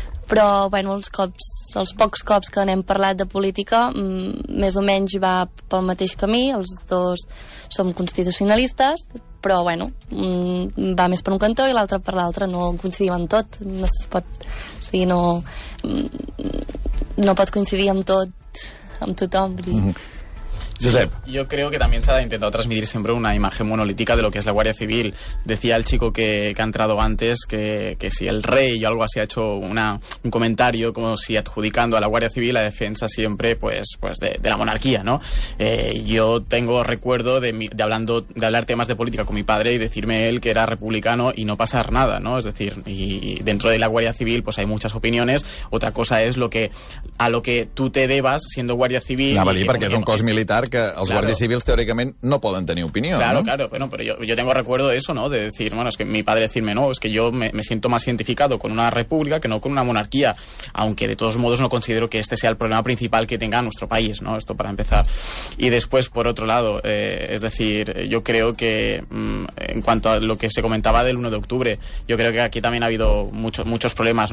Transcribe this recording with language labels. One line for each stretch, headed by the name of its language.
Catalan: Però, bueno, els pocs cops que n'hem parlat de política, més o menys va pel mateix camí, els dos som constitucionalistes, però, bueno, va més per un cantó i l'altre per l'altre, no coincidim en tot, no es pot, o sigui, no pot coincidir amb tot, amb tothom, vull dir. Josep.
Spanish: Yo creo que también se ha intentado transmitir siempre una imagen monolítica de lo que es la Guardia Civil. Decía el chico que ha entrado antes que si el rey o algo así ha hecho un comentario como si adjudicando a la Guardia Civil la defensa siempre pues de la monarquía, ¿no? Yo tengo recuerdo de hablar temas de política con mi padre y decirme él que era republicano y no pasar nada, ¿no? Es decir, y dentro de la Guardia Civil pues hay muchas opiniones. Otra cosa es a lo que tú te debas siendo Guardia Civil.
Catalan: Anava a dir, perquè és un cos militar que els guàrdies civils teòricament no poden tenir opinió,
Spanish: claro, no? Claro, bueno, pero yo tengo recuerdo eso, ¿no? De decir, bueno, es que mi padre decirme, no, es que yo me siento más identificado con una república que no con una monarquía, aunque de todos modos no considero que este sea el problema principal que tenga nuestro país, ¿no? Esto para empezar. Y después, por otro lado, es decir, yo creo que en cuanto a lo que se comentaba del 1 de octubre, yo creo que aquí también ha habido muchos problemas.